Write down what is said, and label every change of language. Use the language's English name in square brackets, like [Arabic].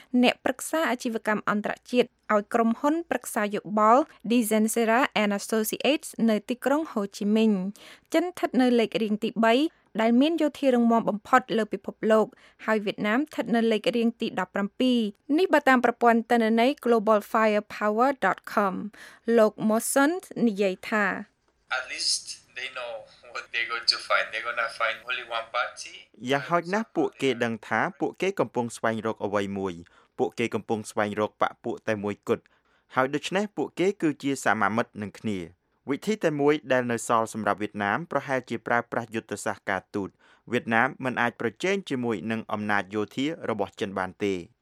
[Khmer] អ្នកប្រឹក្សាអាជីវកម្មអន្តរជាតិឲ្យក្រុមហ៊ុនប្រឹក្សាយោបល់ Dizensera and Associates នៅទីក្រុងហូជីមិញចិនស្ថិតនៅលេខរៀងទី3ដែលមានយោធារងមាំបំផុតលើពិភពលោកហើយវៀតណាមស្ថិតនៅលេខរៀងទី17នេះបើតាមប្រព័ន្ធទិន្នន័យ globalfirepower.com លោក Mosson និយាយថា [English] At least they know what they're going to find. They're going to find only one party. [Khmer] យ៉ាងហោចណាស់ពួកគេដឹងថាពួកគេកំពុងស្វែងរកអ្វីមួយពួកគេកំពុងស្វែងរកបកពួកតែមួយគត់ហើយដូច្នេះពួកគេគឺជាសមាមិត្តនឹងគ្នាវិធីតែមួយដែលនៅសល់សម្រាប់វៀតណាមប្រហែលជាប្រើប្រាស់យុទ្ធសាស្ត្រការទូតវៀតណាមមិនអាចប្រជែងជាមួយនឹងអំណាចយោធារបស់ចិនបានទេ